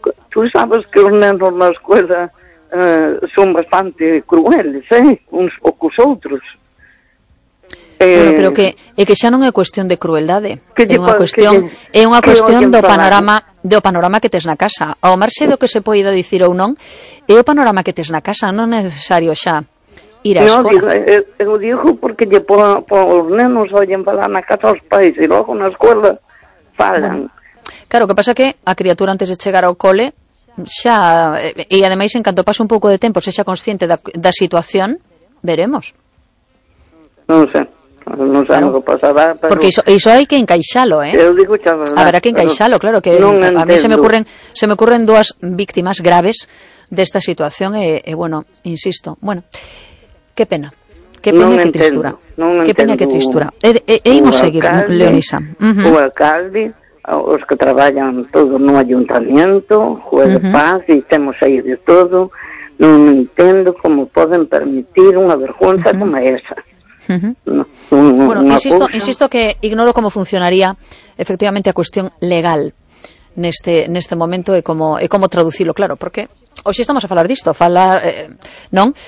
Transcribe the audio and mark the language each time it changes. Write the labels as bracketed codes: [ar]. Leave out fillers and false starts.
[es] Tú sabes que los niños en la escuela son bastante crueles, unos pocos otros. [gl] Bueno, pero que xa non é cuestión de crueldade, é unha cuestión do panorama que tes na casa. Ao marxe do que se poida dicir ou non, é o panorama que tes na casa, non é necesario xa ir á escola. Eu digo porque lle os nenos oyen falar na casa aos pais e logo na escola falan. Claro, o que pasa é que a criatura antes de chegar ao cole, xa, e ademais en canto pase un pouco de tempo, se xa consciente da situación, veremos. Non sei. Non sei o que pasará, pero... Porque iso hai que encaixalo, Eu digo xa, verdad. Habrá que encaixalo, claro, que non entendo. A mí se me ocurren dúas víctimas graves desta situación e bueno, insisto, bueno, que pena. Que pena, que tristura. Que pena, que tristura. E imos seguir, Leonisa. O alcalde, os que traballan todo no ayuntamiento, juez de paz, e temos aí de todo, non entendo como poden permitir unha vergonza como esa. Bueno, insisto que ignoro como funcionaría efectivamente a cuestión legal neste momento e como traducilo, claro, porque hoxe estamos a falar disto, non?